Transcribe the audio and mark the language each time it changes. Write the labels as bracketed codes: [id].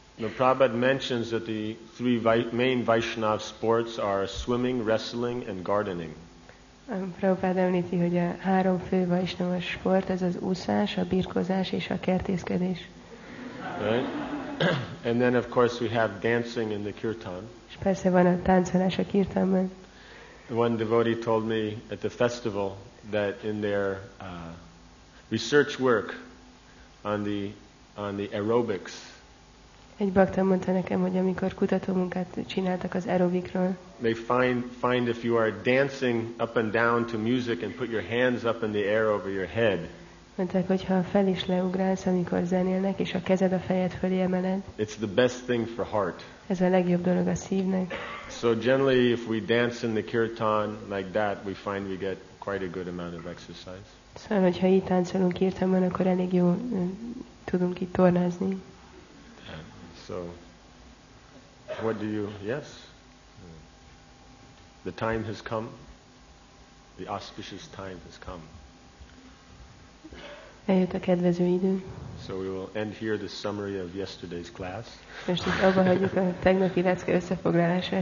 [en] The Prabhupada mentions that the three main Vaishnav sports are swimming, wrestling, and gardening. [hu] Prabhupada említi, hogy a három fő Vaishnava sport ez az úszás, a birkózás és a kertészkedés. [en] Right? And then, of course, we have dancing in the kirtan. [hu] És persze van a táncolás a kirtanban. [en] One devotee told me at the festival that in their research work on the aerobics. [hu] Egy bakta mondta nekem, hogy amikor kutatómunkát csináltak az aerobikról. [en] They find if you are dancing up and down to music and put your hands up in the air over your head. [hu] Mondták, hogy ha fel is leugrálsz, amikor zenélnek, és a kezed a fejed fölé emeled. [en] It's the best thing for heart. [hu] Ez a legjobb dolog a szívnek. [en] So generally, if we dance in the kirtan like that, we find we get quite a good amount of exercise. [hu] Szóval, hogyha így táncolunk kirtanban, akkor elég jó tudunk itt tornázni. [en] So, what do you? Yes. The time has come. The auspicious time has come. [hu] Eljött a kedvező idő. [en] So we will end here the summary of yesterday's class. [hu] Most itt abba hagyjuk a tegnapi lecke összefoglalását.